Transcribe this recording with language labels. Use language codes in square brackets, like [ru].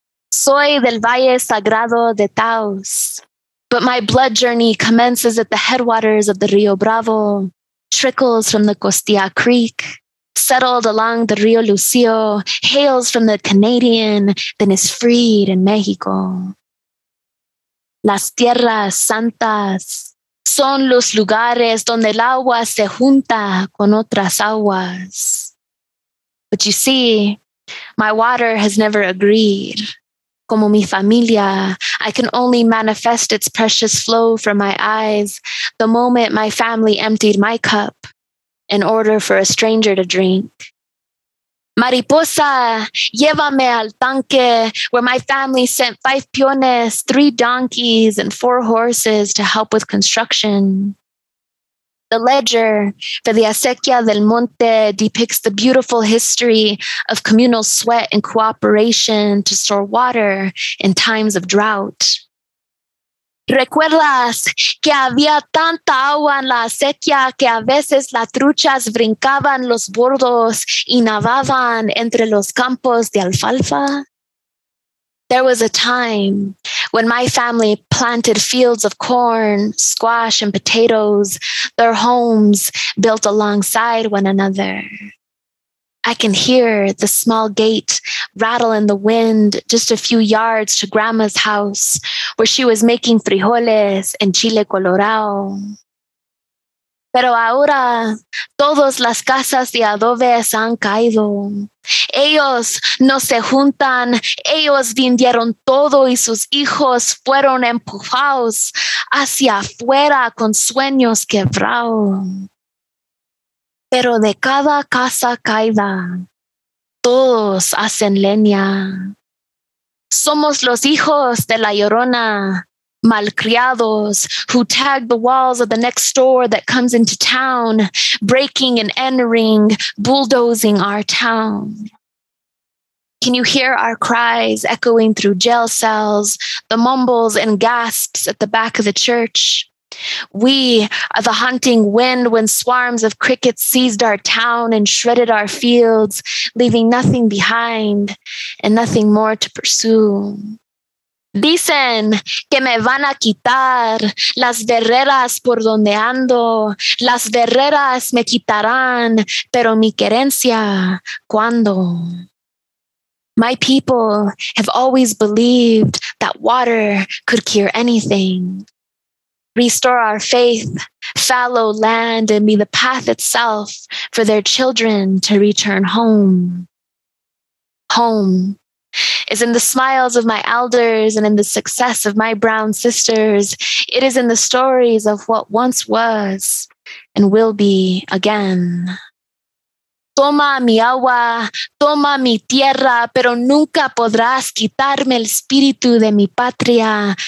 [es] Soy del Valle Sagrado de Taos, [en] but my blood journey commences at the headwaters of the Rio Bravo, trickles from the Costilla Creek, settled along the Rio Lucio, hails from the Canadian, then is freed in Mexico. [es] Las tierras santas son los lugares donde el agua se junta con otras aguas. [en] But you see, my water has never agreed. [es] Como mi familia, [en] I can only manifest its precious flow from my eyes the moment my family emptied my cup in order for a stranger to drink. [es] Mariposa, llévame al tanque, [en] where my family sent 5 piones, 3 donkeys, and 4 horses to help with construction. The ledger for the Acequia del Monte depicts the beautiful history of communal sweat and cooperation to store water in times of drought. [es] ¿Recuerdas que había tanta agua en la acequia que a veces las truchas brincaban los bordos y nadaban entre los campos de alfalfa? [en] There was a time when my family planted fields of corn, squash, and potatoes, their homes built alongside one another. I can hear the small gate rattle in the wind just a few yards to grandma's house, where she was making frijoles and chile colorado. [es] Pero ahora, todas las casas de adobe han caído. Ellos no se juntan, ellos vendieron todo y sus hijos fueron empujados hacia afuera con sueños quebrados. Pero de cada casa caída, todos hacen leña. Somos los hijos de la Llorona, [en] malcriados who tag the walls of the next store that comes into town, breaking and entering, bulldozing our town. Can you hear our cries echoing through jail cells, the mumbles and gasps at the back of the church? We are the haunting wind when swarms of crickets seized our town and shredded our fields, leaving nothing behind and nothing more to pursue. [es] Dicen que me van a quitar las barreras por donde ando. Las barreras me quitarán, pero mi querencia, ¿cuándo? [en] My people have always believed that water could cure anything. Restore our faith, fallow land, and be the path itself for their children to return home. Home is in the smiles of my elders and in the success of my brown sisters. It is in the stories of what once was and will be again. [es] Toma mi agua, toma mi tierra, pero nunca podrás quitarme el espíritu de mi patria.